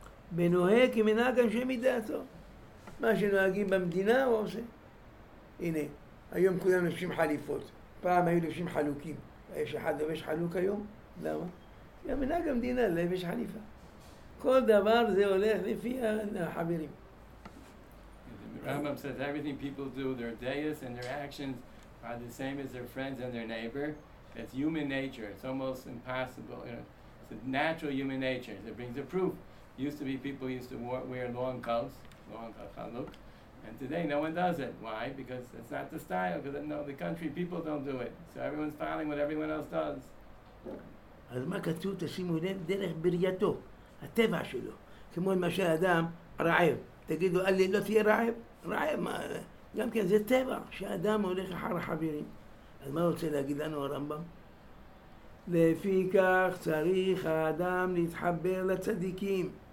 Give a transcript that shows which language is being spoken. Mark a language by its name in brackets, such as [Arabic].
[Hebrew] בנוהג כמנהג אנשי מדעתו. מה שנוהגים במדינה, הוא עושה. הנה, היום כולם לובשים חליפות. פעם היו לובשים חלוקים. יש אחד לובש חלוק היום? למה? כי המנהג המדינה לובש חליפה. כל דבר זה הולך לפי החברים. [English] Rambam says everything people do, their deis and their actions are the same as their friends and their neighbor. It's human nature. It's almost impossible. You know, it's a natural human nature. It brings a proof. Used to be people used to wear long chaluk, and today no one does it. Why? Because it's not the style. Because no, the country people don't do it. So everyone's following what everyone else does. [Hebrew] אז מה כתוב? תשימו לב, דרך בריאתו, הטבע שלו. כמו למשל אדם רעב. תגידו, אלי, לא תהיה רעב? רעב, מה? גם כן, זה טבע, שאדם הולך אחר החברים. אז מה רוצה להגיד לנו הרמב״ם? לפי כך צריך האדם להתחבר לצדיקים.